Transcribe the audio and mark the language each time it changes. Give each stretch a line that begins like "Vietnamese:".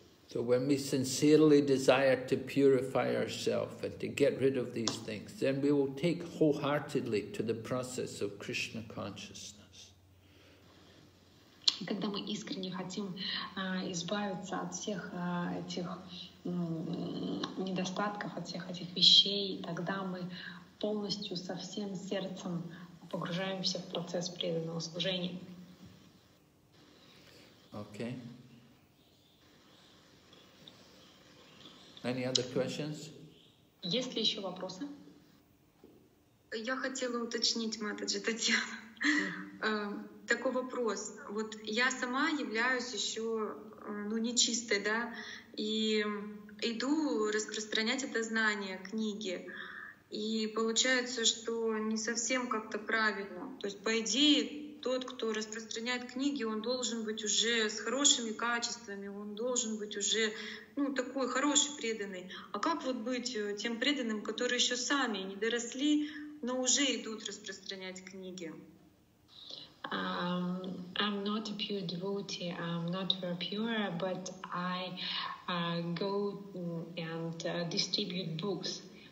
English: So when we sincerely desire to purify ourselves and to get rid of these things, then we will take wholeheartedly to the process of Krishna consciousness.
Russian: Когда мы искренне хотим избавиться от всех этих недостатков, от всех этих вещей, тогда мы полностью со всем сердцем погружаемся в процесс преданного служения.
English: Okay. Any other questions?
Russian: Есть ли еще вопросы? Я хотела уточнить, Матаджи, Татьяна. Такой вопрос. Вот я сама являюсь еще нечистой, да, и иду распространять это знание, книги, и получается, что не совсем как-то правильно. То есть, по идее, тот, кто распространяет книги, он должен быть уже с хорошими качествами, он должен быть уже, ну, такой хороший преданный. А как вот быть тем преданным, которые еще сами не доросли, но уже идут распространять книги?
English: I'm not a pure devotee, I'm not very pure, but I go and distribute books.